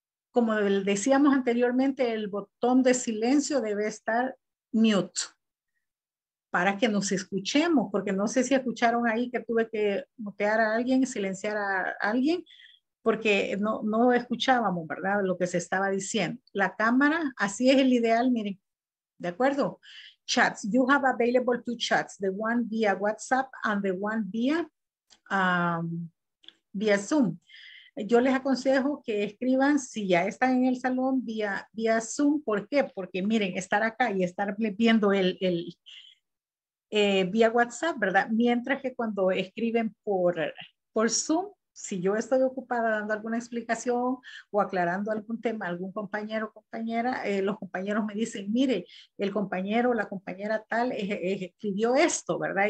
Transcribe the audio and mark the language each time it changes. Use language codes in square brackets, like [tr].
[es] Como decíamos anteriormente, el botón de silencio debe estar mute, para que nos escuchemos, porque no sé si escucharon ahí que tuve que mutear a alguien, silenciar a alguien, porque no escuchábamos, ¿verdad? Lo que se estaba diciendo. La cámara, así es el ideal, miren, ¿de acuerdo? [en] Chats, you have available two chats, the one via WhatsApp and the one via, via Zoom. [es] Yo les aconsejo que escriban si ya están en el salón via Zoom. ¿Por qué? Porque miren, estar acá y estar viendo vía WhatsApp, ¿verdad? Mientras que cuando escriben por Zoom, si yo estoy ocupada dando alguna explicación o aclarando algún tema, algún compañero o compañera, los compañeros me dicen, mire, el compañero o la compañera tal escribió esto, ¿verdad?